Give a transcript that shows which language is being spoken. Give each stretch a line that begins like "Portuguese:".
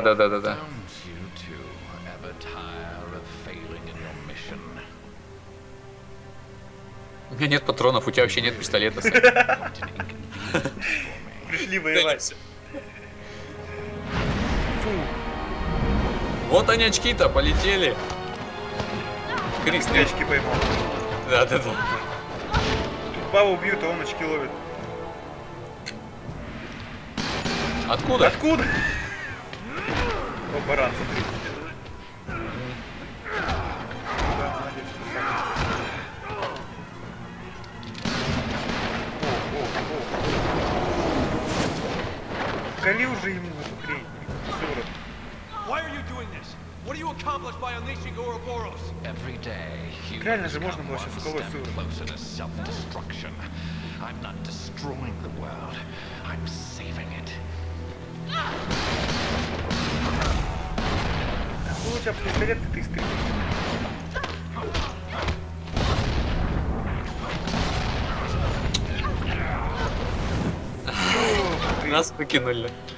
English: Don't you two ever tire of failing in your mission?
Russian: У меня нет патронов, у тебя вообще нет пистолета. Пришли воевать. Вот они очки-то полетели. Крис, ты очки поймал. Да. Тут Павла убьют, а он очки ловит. Откуда? Откуда? О, баран, смотри. Вкали уже ему эту хрень.
English: Why are you doing this? What do you accomplish by unleashing Ouroboros? Every day, humans come one step closer to self-destruction. I'm not destroying the world. I'm saving it.
Russian: Какой у тебя пистолет, ты стреляешь? Нас покинули.